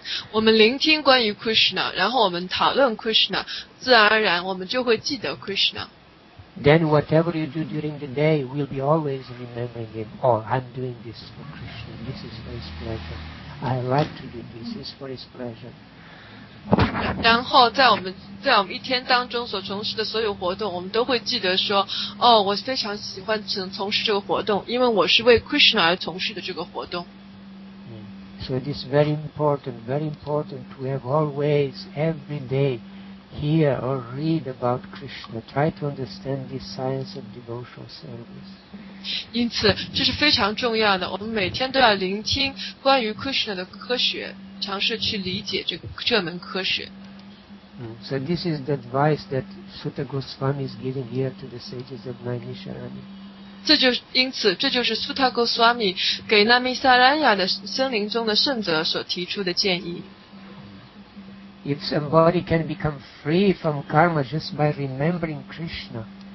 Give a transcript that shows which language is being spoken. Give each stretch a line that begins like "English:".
Chinese: 我们聆听关于 Krishna, 然后我们讨论 Krishna, 自然而然我们就会记得 Krishna.
English: Then whatever you do during the day, we'll be always remembering him. Oh, I'm doing this for Krishna, this is for his pleasure. I like to do this, this is for his pleasure.
Chinese: 然后在我们一天当中所从事的所有活动，我们都会记得说，哦，我非常喜欢从事这个活动，因为我是为 Krishna 而从事的这个活动。
English: So it is very important to have always, every day, hear or read about Krishna. Try to understand this science of devotional service.
Chinese: 因此，这是非常重要的。我们每天都要聆听关于 Krishna 的科学，尝试去理解这门科学。
English: So this is the advice that Sutta Goswami is giving here to the sages of Nainisharani.
Chinese: 这就是 Sutta Goswami 给 Nainisharani 的森林中的圣者所提出的建议。
English: If somebody can become free from karma just by remembering Krishna.